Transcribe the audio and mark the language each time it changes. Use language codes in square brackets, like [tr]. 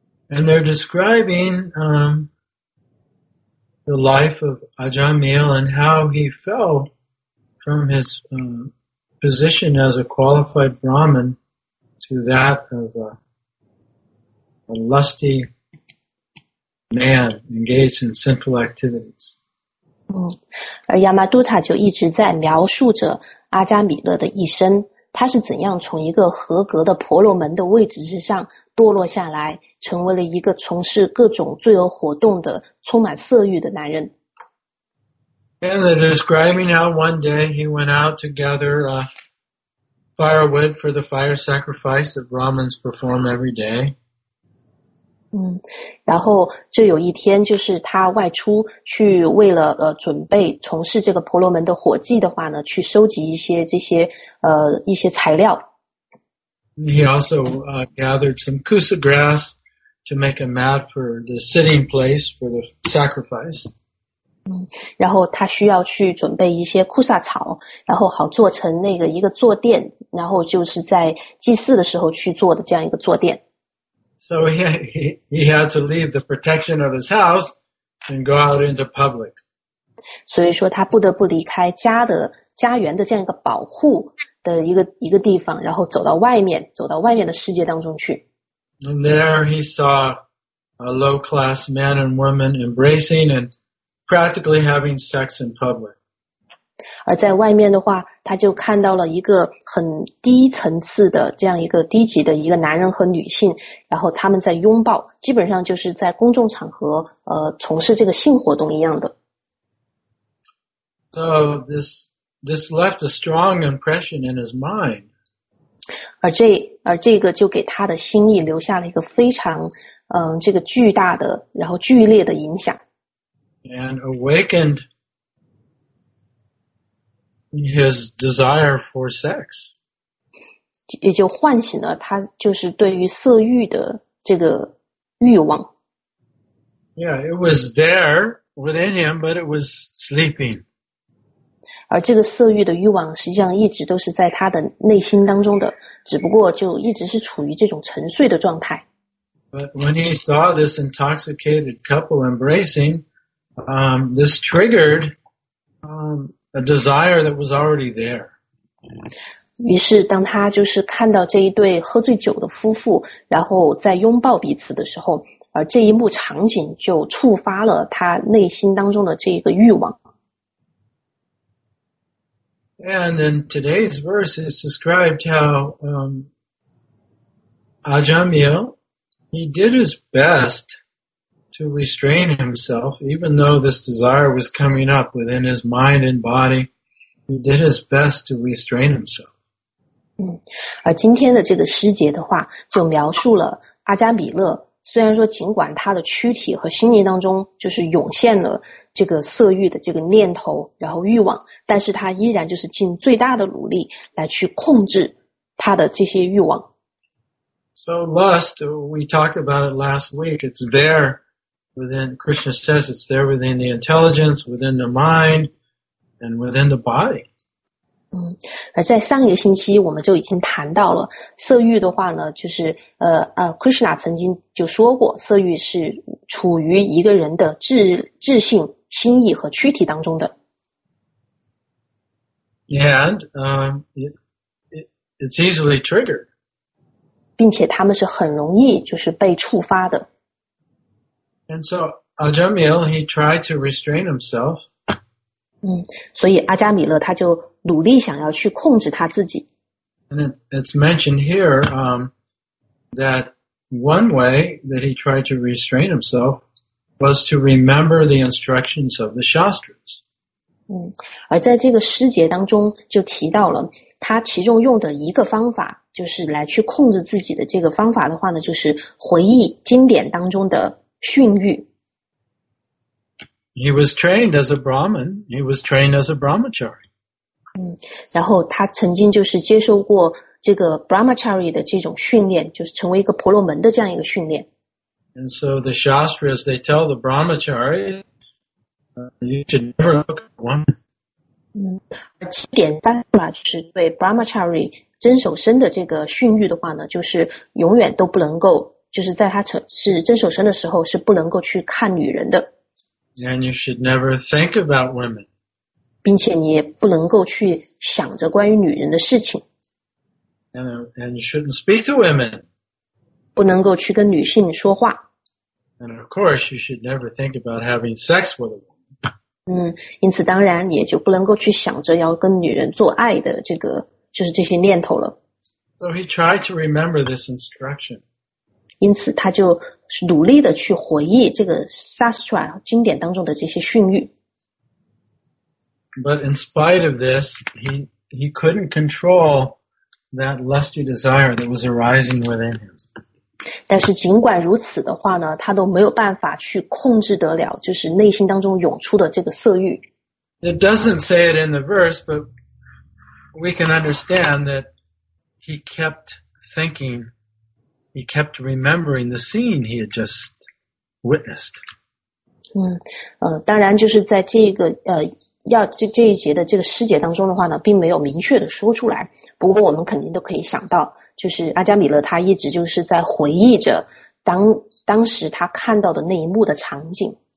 [en] And they're describing the life of Ajamil and how he fell from his position as a qualified Brahmin to that of a lusty man engaged in sinful activities. [zh] 而亚玛杜塔就一直在描述着阿加米勒的一生，他是怎样从一个合格的婆罗门的位置之上堕落下来，成为了一个从事各种罪恶活动的充满色欲的男人。 [en] And they're describing how one day he went out to gather firewood for the fire sacrifice that Brahmins perform every day. [zh] 然后就有一天，就是他外出去为了准备从事这个婆罗门的火祭的话呢，去收集一些这些一些材料。 [en] He also gathered some kusa grass to make a mat for the sitting place for the sacrifice. [zh] 然后他需要去准备一些库萨草，然后好做成那个一个坐垫，然后就是在祭祀的时候去做的这样一个坐垫。 [en] So he had to leave the protection of his house and go out into public. [zh] 所以说他不得不离开家的家园的这样一个保护的一个地方，然后走到外面的世界当中去。 [en] And there he saw a low class man and woman embracing and practically having sex in public. [zh] 而在外面的话，他就看到了一个很低层次的这样一个低级的一个男人和女性，然后他们在拥抱，基本上就是在公众场合从事这个性活动一样的。 [en] So this left a strong impression in his mind. [zh] 而这个就给他的心意留下了一个非常这个巨大的然后剧烈的影响。 [en] And awakened his desire for sex. [zh] 也就唤醒了他就是对于色欲的这个欲望。 [en] Yeah, it was there within him, but it was sleeping. [zh] 而这个色欲的欲望实际上一直都是在他的内心当中的，只不过就一直是处于这种沉睡的状态。 [en] But when he saw this intoxicated couple embracing, this triggered, a desire that was already there. [zh] 于是当他就是看到这一对喝醉酒的夫妇，然后在拥抱彼此的时候，而这一幕场景就触发了他内心当中的这个欲望。 [en] And in today's verse is described how Ajamil, he did his best to restrain himself, even though this desire was coming up within his mind and body, he did his best to restrain himself. [zh] 而今天的这个诗节的话就描述了阿加米勒，虽然说尽管他的躯体和心灵当中就是涌现了这个色欲的这个念头然后欲望，但是他依然就是尽最大的努力来去控制他的这些欲望。 [en] So lust, we talked about it last week, it's there within, Krishna says it's there within the intelligence, within the mind, and within the body. [zh] 而在上一个星期我们就已经谈到了色欲的话呢，就是Krishna 曾经就说过色欲是处于一个人的智性心意和躯体当中的。 [en] And, it's easily triggered. [zh] 并且他们是很容易就是被触发的。 [en] And so, Ajamil, he tried to restrain himself. [zh] 所以阿加米勒他就努力想要去控制他自己。 [en] And it's mentioned here, that one way that he tried to restrain himself,was to remember the instructions of the Shastras. [zh] 而在这个诗节当中就提到了他其中用的一个方法，就是来去控制自己的这个方法的话呢，就是回忆经典当中的训谕。 [en] He was trained as a Brahmin. He was trained as a Brahmachari. [zh] 然后他曾经就是接受过这个 Brahmachari 的这种训练，就是成为一个婆罗门的这样一个训练。 [en] And so the Shastras, they tell the Brahmachari, you should never look at a woman. [zh] 七点三嘛，就是对 Brahmachari 遵守身的这个训谕的话呢，就是永远都不能够，就是在他是遵守身的时候是不能够去看女人的。 [en] And you should never think about women. [zh] 并且你也不能够去想着关于女人的事情。 [en] And you shouldn't speak to women. [zh] 不能够去跟女性说话。 [en] And of course, you should never think about having sex with a woman. [zh] 因此当然也就不能够去想着要跟女人做爱的这个就是这些念头了。 [en] So he tried to remember this instruction. [zh] 因此他就努力的去回忆这个 Shastra 经典当中的这些训谕。 [en] But in spite of this, he couldn't control that lusty desire that was arising within him. [zh] 但是尽管如此的话呢，他都没有办法去控制得了，就是内心当中涌出的这个色欲。 [en] It doesn't say it in the verse, but we can understand that he kept thinking, he kept remembering the scene he had just witnessed. [zh] 当然就是在这个这一节的这个诗节当中的话呢，并没有明确的说出来。不过我们肯定都可以想到。就是阿加米勒他一直就是在回忆着当时他看到的那一幕的场景。